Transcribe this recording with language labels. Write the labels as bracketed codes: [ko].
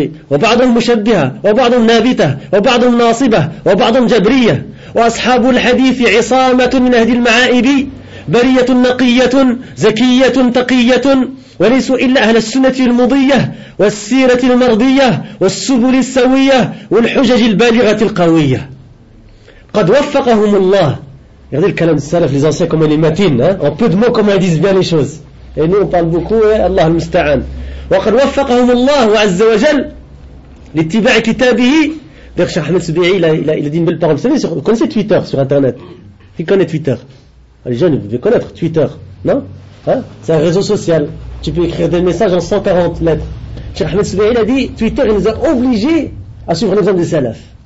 [ar] وبعضهم مشبهة وبعضهم نابتة وبعضهم ناصبة وبعضهم جبرية وأصحاب الحديث عصامة من أهل المعائب برية نقية زكية تقية وليسوا إلا أهل السنة المضية والسيرة المرضية والسبل السوية والحجج البالغة القوية قد وفقهم الله. [fr] Regardez le kalam salaf, les anciens comme les matines, en peu de mots comme ils disent bien les choses. Et nous on parle beaucoup, Allah al-musta'an. [ar] وقد وفقهم الله عز وجل لاتباع كتابه. [fr] Cheikh Ahmed Soubiri, il a dit une belle parole. Vous savez, vous connaissez Twitter sur internet? Qui connaît Twitter? Les jeunes, vous devez connaître Twitter, non? C'est un réseau social. Tu peux écrire des messages en 140 lettres. Cheikh Ahmed Soubiri a dit, Twitter nous a obligés à suivre l'exemple des salafs.